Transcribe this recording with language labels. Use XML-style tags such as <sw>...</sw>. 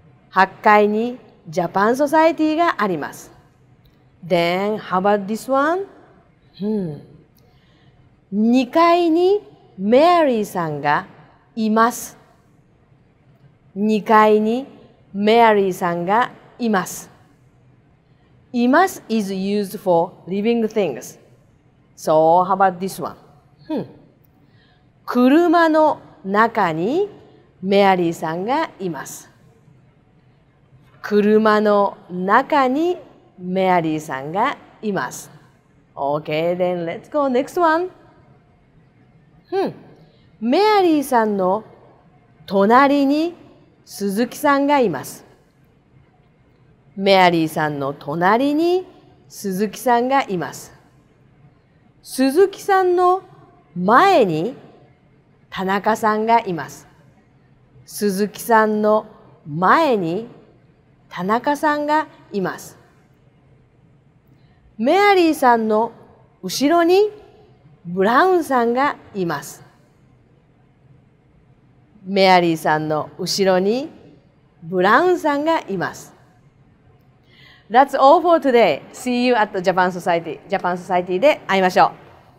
<ja>8階にジャパンソサエティがあります。</ja> <en>Then, how about this one?</en> <ja>2階にメアリーさんがいます。 2階にメアリーさんがいます。</ja> <en>Imas is used for living things. So, how about this one?</en> <ja>車の中にメアリーさんがいます。車の中にメアリーさんがいます。</ja> <en>Okay, then let's go next one.</en> <ja>メアリーさんの隣に鈴木さんがいます。メアリーさんの隣に鈴木さんがいます。鈴木さんの前に田中さんがいます。鈴木さんの前に田中さんがいます。メアリーさんの後ろにブラウンさんがいます。メアリーさんの後ろにブラウンさんがいます。</ja> <en>That's all for today. See you at Japan Society. Japan Society</en> <ja>で会いましょう。</ja>